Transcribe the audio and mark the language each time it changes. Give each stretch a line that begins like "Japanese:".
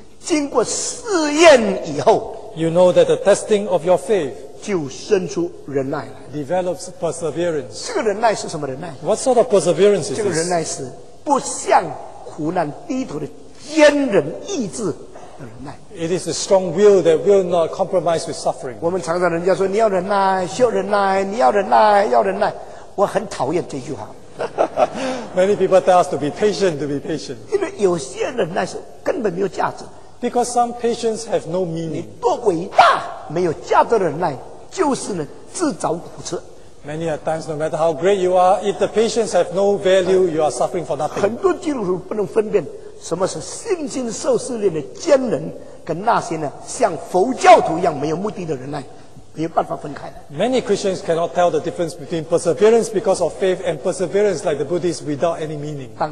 Chinese: 你们知道你们的信心经过试验以后,
English: you know that the testing of your faith
Chinese: 就生出忍耐来,
English: develops perseverance.
Chinese: 这个忍耐是什么忍耐?
English: What sort of perseverance is this?
Chinese: 这个忍耐是不向苦难低头的坚忍意志,
English: it is a strong will that will not compromise with suffering.
Chinese: 我们常常人家说, 你要忍耐, 需要忍耐, 你要忍耐, 要忍耐, 我很讨厌这句话。
English: Many people tell us to be patient, to be patient.
Chinese: 因为有些忍耐是根本没有价值,
English: because some patience have no meaning.
Chinese: 你多伟大, 没有价值的忍耐, 就是呢, 自找苦吃。
English: Many a times, no matter how great you are, if the patience have no value, you are suffering for nothing.
Chinese: 很多基督徒不能分辨, 什么是信心受试炼的坚忍跟那些呢像佛教徒一样没有目的的忍耐没有办法分开的。
English: Many Christians cannot tell the difference between perseverance because of faith and perseverance like the Buddhists without any meaning.